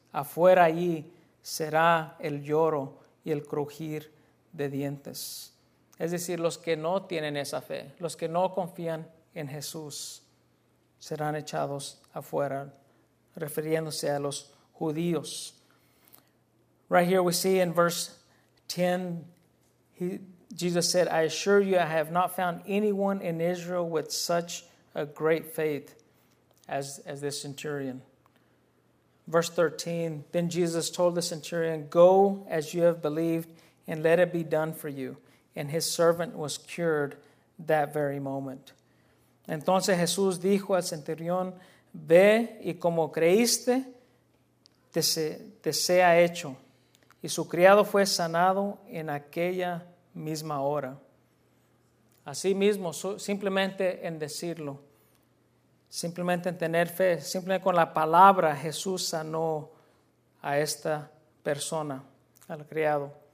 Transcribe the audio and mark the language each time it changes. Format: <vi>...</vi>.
<es>afuera allí será el lloro y el crujir de dientes. Es decir, los que no tienen esa fe, los que no confían en Jesús, serán echados afuera, refiriéndose a los judíos.</es> <en>Right here we see in verse 10, Jesus said, I assure you, I have not found anyone in Israel with such a great faith as this centurion. Verse 13, then Jesus told the centurion, go as you have believed and let it be done for you. And his servant was cured that very moment.</en> <es>Entonces Jesús dijo al centurión, ve y como creíste, te sea hecho. Y su criado fue sanado en aquella misma hora. Así mismo, simplemente en decirlo, simplemente en tener fe, simplemente con la palabra, Jesús sanó a esta persona, al criado.</es>